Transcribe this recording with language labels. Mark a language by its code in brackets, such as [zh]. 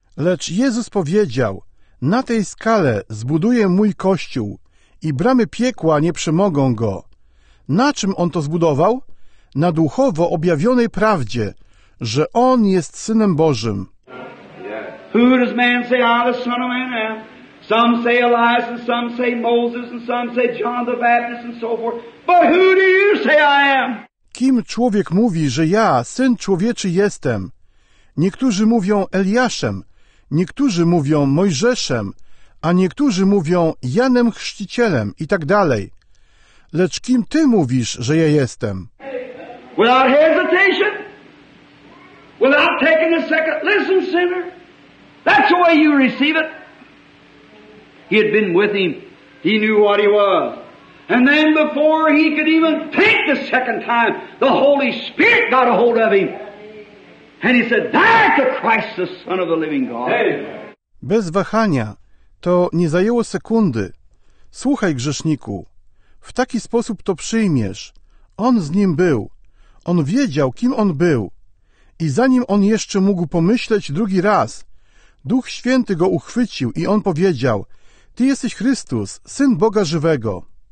[pl] Lecz Jezus powiedział, na tej skale zbuduję mój Kościół i bramy piekła nie przemogą go. Na czym on to zbudował? Na duchowo objawionej prawdzie, że on jest Synem Bożym. [en] Yes. Who does man say, I'm the Son of Man? Some say Elias, and some say Moses, and some say John the Baptist, and so forth. But who do you say I am? [pl] Kim człowiek mówi, że ja, Syn Człowieczy, jestem? Niektórzy mówią Eliaszem, niektórzy mówią Mojżeszem, a niektórzy mówią Janem Chrzcicielem i tak dalej. Lecz kim ty mówisz, że ja jestem? [en] Without hesitation, without taking a second, listen, sinner, that's the way you receive it. He had been with him. He knew what he was. And then before he could even think the second time, the Holy Spirit got a hold of him. And he said, that's the Christ, the Son of the living God. Hey. [pl] Bez wahania, to nie zajęło sekundy. Słuchaj, grzeszniku, w taki sposób to przyjmiesz. On z nim był. On wiedział, kim on był. I zanim on jeszcze mógł pomyśleć drugi raz, Duch Święty go uchwycił i on powiedział, ty jesteś Chrystus, Syn Boga Żywego.